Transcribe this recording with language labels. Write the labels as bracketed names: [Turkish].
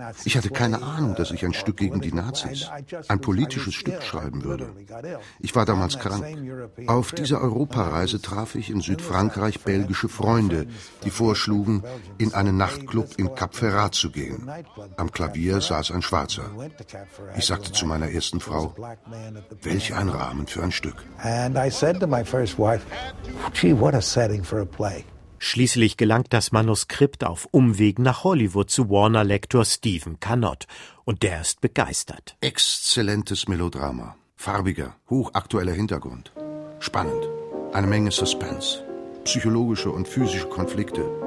[German] Ich hatte keine Ahnung, dass ich ein Stück gegen die Nazis, ein politisches Stück schreiben würde. Ich war damals krank. Auf dieser Europareise traf ich in Südfrankreich belgische Freunde, die vorschlugen, in einen Nachtclub in Cap Ferrat zu gehen. Am Klavier saß ein Schwarzer. Ich sagte zu meiner ersten Frau, welch ein Rahmen für ein Stück. [English] And I said to my first wife, gee, what a setting for a play. [German] Schließlich gelangt das Manuskript auf Umwegen nach Hollywood zu Warner-Lektor Stephen Cannott. Und der ist begeistert. Exzellentes Melodrama. Farbiger, hochaktueller Hintergrund. Spannend. Eine Menge Suspense. Psychologische und physische Konflikte.